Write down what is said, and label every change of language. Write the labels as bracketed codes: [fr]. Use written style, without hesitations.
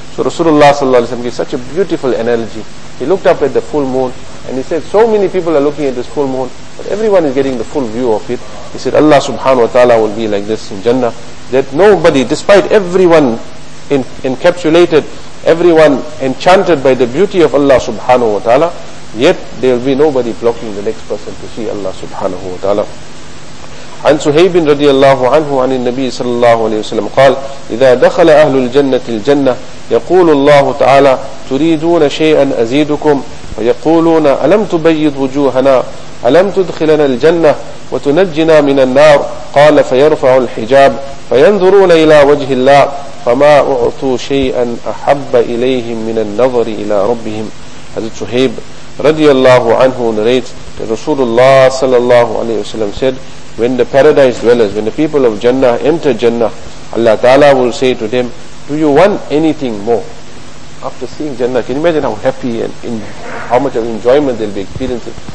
[en] So Rasulullah sallallahu alayhi wa sallam gave such a beautiful analogy. He looked up at the full moon and he said, so many people are looking at this full moon, but everyone is getting the full view of it. He said, Allah subhanahu wa ta'ala will be like this in Jannah, that nobody, despite everyone encapsulated, everyone enchanted by the beauty of Allah subhanahu wa ta'ala, yet there will be nobody blocking the next person to see Allah subhanahu wa ta'ala. [ar] عن سهيب رضي الله عنه عن النبي صلى الله عليه وسلم قال إذا دخل أهل الجنة الجنة يقول الله تعالى تريدون شيئا أزيدكم ويقولون ألم تبيض وجوهنا ألم تدخلنا الجنة وتنجنا من النار قال فيرفع الحجاب فينظرون إلى وجه الله فما أعطوا شيئا أحب إليهم من النظر إلى ربهم. [en] حضرت سهيب [ar] رضي الله عنه [en] narrates رسول الله [ar] صلى الله عليه وسلم [en] said, when the paradise dwellers, when the people of Jannah enter Jannah, Allah Ta'ala will say to them, do you want anything more? After seeing Jannah, can you imagine how happy and how much of enjoyment they'll be experiencing?